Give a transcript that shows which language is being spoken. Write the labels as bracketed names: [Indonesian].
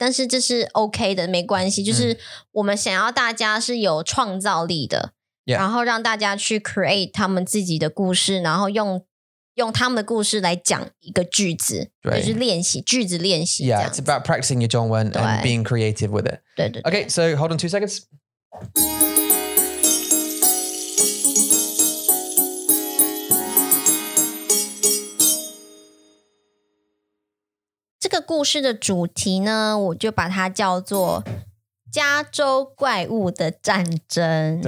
[Chinese] 但是这是 OK 的，没关系。就是我们想要大家是有创造力的，然后让大家去 create 他们自己的故事，然后用他们的故事来讲一个句子，也是练习句子练习。 [English] Yeah, it's about practicing your 中文 and being creative with it. [Chinese] 对对对。 [English] Okay, so hold on 2 seconds. This [Chinese] 故事的主题呢，我就把它叫做《加州怪物的战争》。